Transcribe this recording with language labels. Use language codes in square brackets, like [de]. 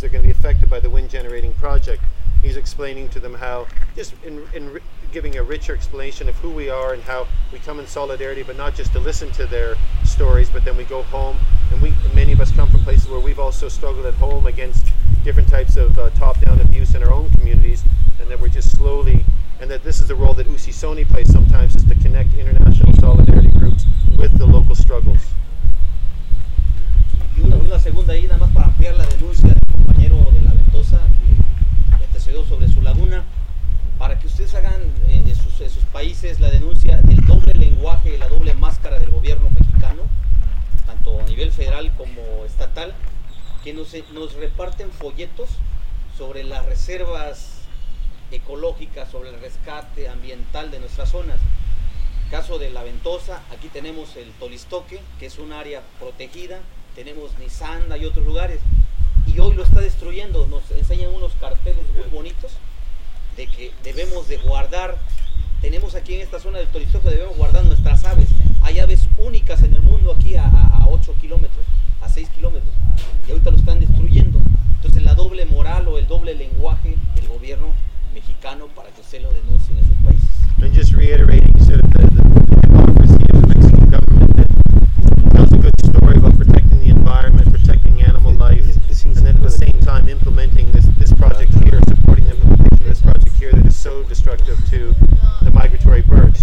[en] They're going to be affected by the wind generating project. He's explaining to them how, just in giving a richer explanation of who we are and how we come in solidarity, but not just to listen to their stories, but then we go home. And many of us come from places where we've also struggled at home against different types of top-down abuse in our own communities, and that we're just slowly, and that this is the role that Usisoni plays sometimes, is to connect international solidarity groups with the local struggles. [es] Una segunda ahí, nada más para ampliar la denuncia del compañero de La Ventosa que antecedió sobre su laguna, para que ustedes hagan en sus países la denuncia del doble lenguaje, la doble máscara del gobierno mexicano, tanto a nivel federal como estatal, que nos reparten folletos sobre las reservas ecológicas, sobre el rescate ambiental de nuestras zonas. Caso de La Ventosa, aquí tenemos el Tolistoque, que es un área protegida, tenemos Nizanda y otros lugares, y hoy lo está destruyendo. Nos enseñan unos carteles muy bonitos de que debemos de guardar, tenemos aquí en esta zona del Tolistoque, debemos guardar nuestras aves. Hay aves únicas en el mundo aquí a 8 kilómetros, a 6 kilómetros, y ahorita lo están destruyendo. Entonces la doble moral o el doble lenguaje del gobierno mexicano para que usted lo denuncie en sus países. [en] And just reiterating sort of the hypocrisy of the Mexican government that tells a good story about protecting the environment, protecting animal life, and at the same time implementing this project here, supporting the implementation of this project here that is so destructive to the migratory birds.